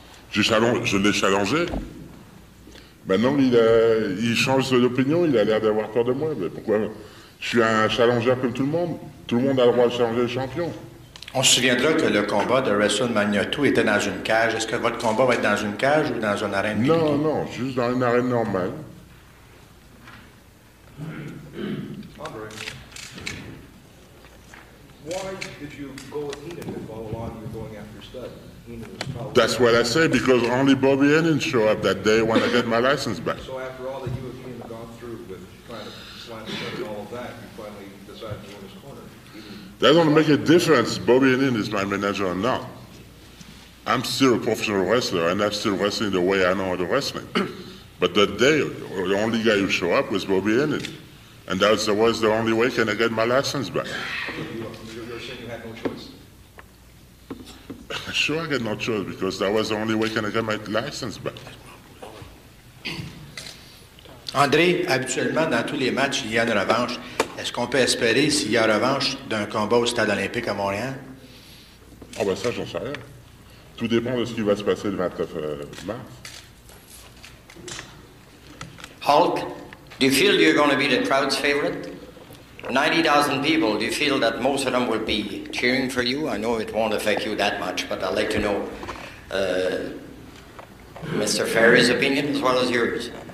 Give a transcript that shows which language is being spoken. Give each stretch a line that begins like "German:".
French: Je l'ai challengé. Maintenant, il change d'opinion. Il a l'air d'avoir peur de moi. Mais pourquoi? Je suis un challengeur comme tout le monde. Tout le monde a le droit de changer de champion. On se souviendra que le combat de WrestleMania 2 était dans une cage. Est-ce que votre combat va être dans une cage ou dans une arène? Non, juste dans une arène normale.
English: André, why did you go with Heenan to follow along? You're going after Stud. That's what I say, because only Bobby Heenan showed up that day when I get my license back. So after all that you and Heenan have gone through with trying to slam Stud and all of that, you finally decided to go in his corner. That doesn't make a difference. Bobby Heenan is my manager or not. I'm still a professional wrestler, and I'm still wrestling the way I know how to wrestle. But that day, the only guy who showed up was Bobby Heenan. And that was the only way can I get my license back. You're saying you had no choice? Sure, I had no choice, because that was the only way can I get my license back.
French: André, habituellement, dans tous les matchs, il y a une revanche. Est-ce qu'on peut espérer s'il y a revanche d'un combat au Stade olympique à Montréal? Ah oh ben ça, j'en sais rien. Tout dépend de ce qui va se passer le 29 mars.
English: Hulk, do you feel you're going to be the crowd's favorite? 90,000 people, do you feel that most of them will be cheering for you? I know it won't affect you that much, but I'd like to know Mr. Ferry's opinion as well as yours.